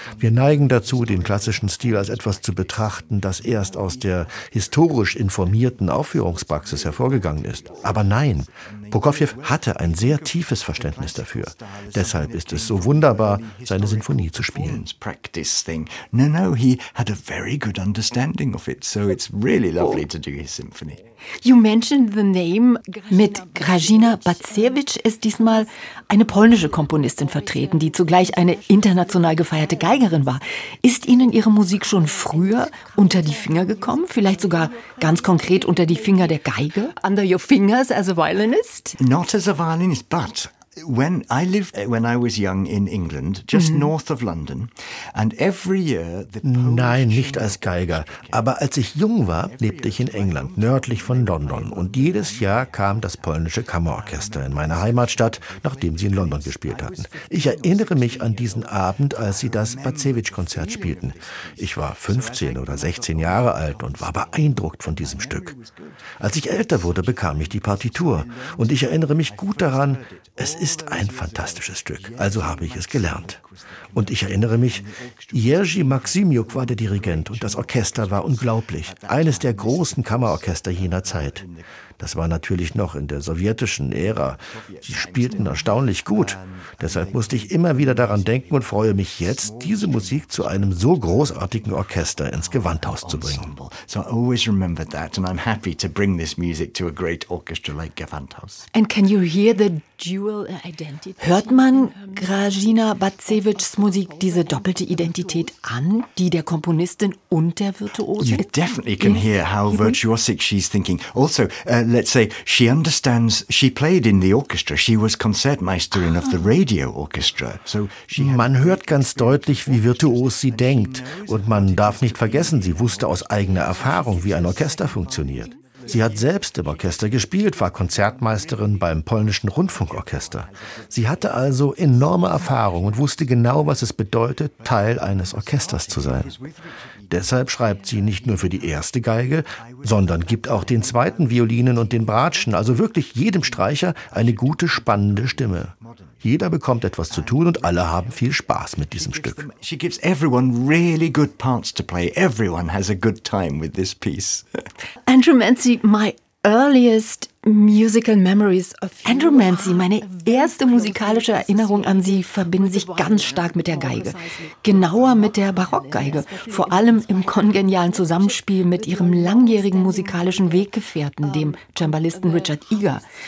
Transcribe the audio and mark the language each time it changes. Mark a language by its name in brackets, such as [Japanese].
[German] Wir neigen dazu, den klassischen Stil als etwas zu betrachten, das erst aus der historisch informierten Aufführungspraxis hervorgegangen ist. Aber nein, Prokofiev hatte ein sehr tiefes Verständnis dafür. Deshalb ist es so wunderbar, seine Sinfonie zu spielen. [English] Practice thing. No, he had a very good understanding of it, so it's really lovely to do his symphony. You mentioned the name. [German] Mit Grażyna Bacewicz ist diesmal eine polnische Komponistin vertreten, die zugleich eine international gefeierte Geigerin war. Ist Ihnen Ihre Musik schon früher unter die Finger gekommen? Vielleicht sogar ganz konkret unter die Finger der Geige? [English] Under your fingers as a violinist? Not as a violinist, but when I was young in England, just north of London, and every year the [German] Polish. Nein, nicht als Geiger. Aber als ich jung war, lebte ich in England, nördlich von London. Und jedes Jahr kam das polnische Kammerorchester in meine Heimatstadt, nachdem sie in London gespielt hatten. Ich erinnere mich an diesen Abend, als sie das Bacewicz-Konzert spielten. Ich war 15 oder 16 Jahre alt und war beeindruckt von diesem Stück. Als ich älter wurde, bekam ich die Partitur. Und ich erinnere mich gut daran, es ist ein fantastisches Stück, also habe ich es gelernt. Und ich erinnere mich, Jerzy Maksymiuk war der Dirigent und das Orchester war unglaublich, eines der großen Kammerorchester jener Zeit. Das war natürlich noch in der sowjetischen Ära. Sie spielten erstaunlich gut. Deshalb musste ich immer wieder daran denken und freue mich jetzt, diese Musik zu einem so großartigen Orchester ins Gewandhaus zu bringen. [English] So I always remember that and I'm happy to bring this music to a great orchestra like Gewandhaus. And can you hear the dual identity? [German] Hört man Grażyna Bacewicz's Musik diese doppelte Identität an, die der Komponistin und der Virtuose? [English] You definitely can hear how virtuosic she's thinking. Also, let's say she understands. She played in the orchestra. She was concertmeisterin of the radio orchestra. So she. [German] Man hört ganz deutlich, wie virtuos sie denkt, und man darf nicht vergessen, sie wusste aus eigener Erfahrung, wie ein Orchester funktioniert. Sie hat selbst im Orchester gespielt, war Konzertmeisterin beim polnischen Rundfunkorchester. Sie hatte also enorme Erfahrung und wusste genau, was es bedeutet, Teil eines Orchesters zu sein. Deshalb schreibt sie nicht nur für die erste Geige, sondern gibt auch den zweiten Violinen und den Bratschen, also wirklich jedem Streicher, eine gute, spannende Stimme. Jeder bekommt etwas zu tun und alle haben viel Spaß mit diesem Stück. [English] She gives everyone really good parts to play. Everyone has a good time with this piece. Andrew Manzi, my earliest Musical Memories of you. [German] Andrew Manzi, meine erste musikalische Erinnerung an Sie verbinden sich ganz stark mit der Geige. Genauer mit der Barockgeige. Vor allem im kongenialen Zusammenspiel mit Ihrem langjährigen musikalischen Weggefährten, dem Cembalisten Richard Eager.